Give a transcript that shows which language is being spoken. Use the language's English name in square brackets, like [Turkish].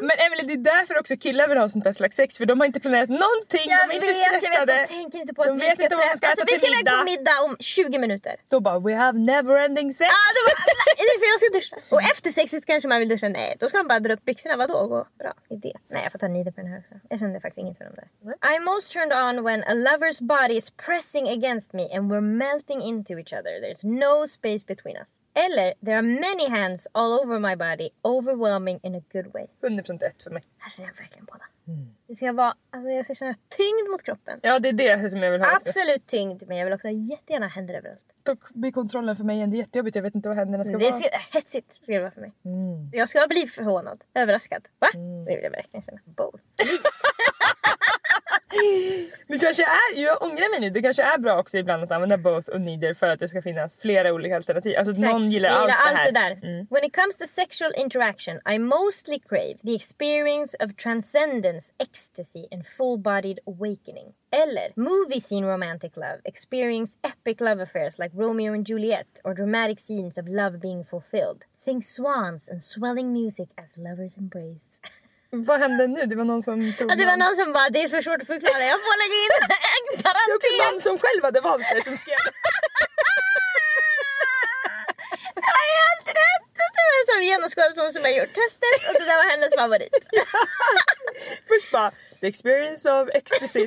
[Swedish] Men Emily, det är därför också killar vill ha sånt där slags sex, för de har inte planerat någonting. Jag de är inte stressade. Jag tänker inte på att vi ska träffa. Alltså, vi ska lägga på middag om 20 minuter. Då bara, [English] we have never ending sex. [Swedish] Ja, då bara, nej, för jag ska duscha. Och efter sexet kanske man vill duscha. Nej, då ska man bara dra upp byxorna. Vadå? Gå. Bra idé. Nej, jag får ta nida på den här också. Jag kände faktiskt inget för dem där. [English] I'm most turned on when a lover's body is pressing against me and we're melting into each other. There's no space between us. Eller, there are many hands all over my body, overwhelming in a good way. [Swedish] 100% ett för mig. Här känner jag verkligen båda. Mm. Det ska vara, alltså jag ska känna tyngd mot kroppen. Ja, det är det som jag vill ha. Absolut också. Tyngd, men jag vill också jättegärna händer överallt. Då blir kontrollen för mig ändå jättejobbigt. Jag vet inte vad händerna ska det vara. Det är hetsigt för mig. Mm. Jag ska bli förhånad, överraskad. Va? Mm. Det vill jag verkligen känna. Both. Det kanske är, jag ångrar mig nu. Det kanske är bra också ibland att använda both och neither för att det ska finnas flera olika alternativ. Alltså exactly. Någon gillar, gillar allt det här det där. Mm. [English] When it comes to sexual interaction, I mostly crave the experience of transcendence, ecstasy and full-bodied awakening. Eller movie scene romantic love, experience epic love affairs like Romeo and Juliet or dramatic scenes of love being fulfilled. Think swans and swelling music as lovers embrace. [Swedish] Vad hände nu? Det var någon som tog... Ja, det var någon som bara, det är för svårt att förklara. Jag får lägga in en parentes. Det är också någon som själv hade valt det som skrev. Det var helt rätt. Det var som genomskådat hon som har gjort testet. Och det där var hennes favorit. Ja. Först bara, [English] the experience of ecstasy.